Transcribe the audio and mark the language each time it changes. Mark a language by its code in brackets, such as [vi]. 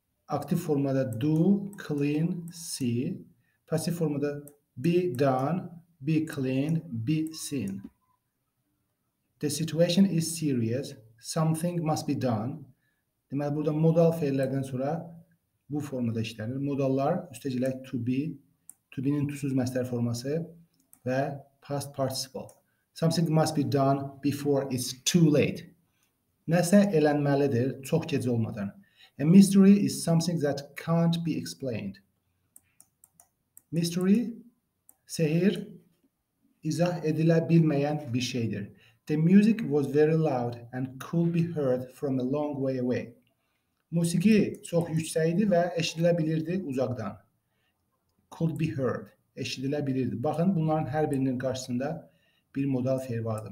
[az] Aktiv formada do, clean, see. Passiv formada [en] be done, be clean, be seen. The situation is serious. Something must be done. [az] Deməli, burada modal fiillərdən sonra bu formada işlənir. Modallar, üstəcələk to be, to be-nin tutsuz məsdər forması və past participle. [en] Something must be done before it's too late. [az] Nəsə elənməlidir, çox gec olmadan. [en] A mystery is something that can't be explained. [az] Mystery, sehir, izah edilə bilməyən bir şeydir. [en] The music was very loud and could be heard from a long way away. [az] Musiqi çox yüksəkdi və eşidilə bilirdi uzaqdan. [en] Could be heard. [az] Eşidilə bilirdi. Baxın, bunların hər birinin qarşısında bir modal fiil vardı.